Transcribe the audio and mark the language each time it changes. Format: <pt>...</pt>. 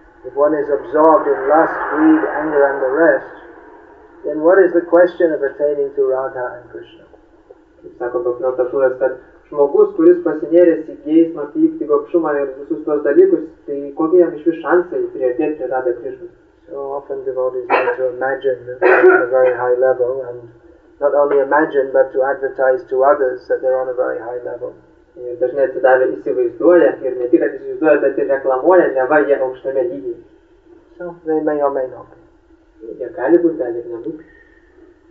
<en>If one is absorbed in lust, greed, anger and the rest, then what is the question of attaining to Radha and Krishna?</en> <lt>Kaip sako Bhaktivinoda Thakur, kad žmogus, kuris pasinėrės į geismą, pyktį, gopšumą ir visus tuos dalykus, tai kokie jam iš vis šansai priartėti prie Radha Krishna?</lt> <en>So often devotees need to imagine that they're on a very high level, and not only imagine, but to advertise to others that they're on a very high level.</en> <lt>Dažnai atsidavę įsivaizduoja, ir ne tik įsivaizduoja, bet ir reklamuoja, neva jie aukštame lygyje.</lt> <en>So they may or may not be.</en> <lt>Jie gali būti, gali ir nebūti.</lt>